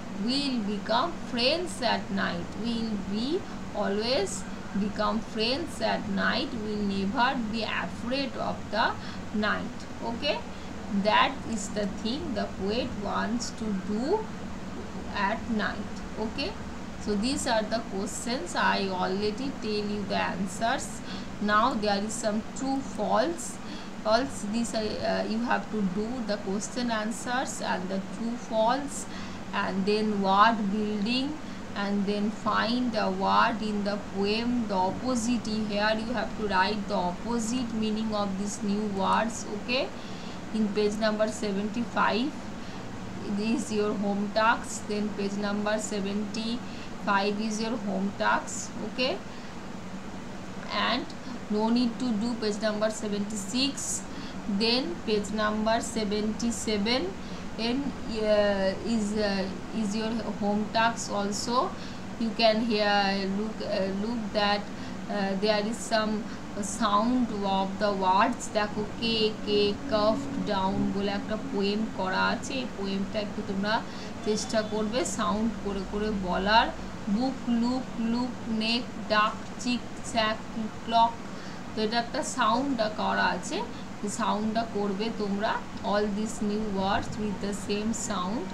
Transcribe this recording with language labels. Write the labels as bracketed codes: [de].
[en] Will become friends at night, will be always become friends at night, will never be afraid of the night, okay? That is the thing the poet wants to do at night, okay? So these are the questions I already tell you the answers. Now there is some true false, these are you have to do the question answers and the true false, and then word building, and then find the word in the poem, the opposite, here you have to write the opposite meaning of these new words, okay? In page number 75 this is your home task, then page number 75 is your home task, okay? And no need to do page number 76. then page number 77 and is your home task also. You can here look that there is some sound of the words. [bn] দেখো কে কে কফ down বলে একটা poem করা আছে, এই পোয়েমটা একটু তোমরা চেষ্টা করবে সাউন্ড করে করে বলার। বুক লুক লুক নেক ডাক চিক চ্যাক ক্লক, তো এটা একটা সাউন্ডটা করা আছে, সাউন্ডটা করবে তোমরা [en] All this new words with the same sound.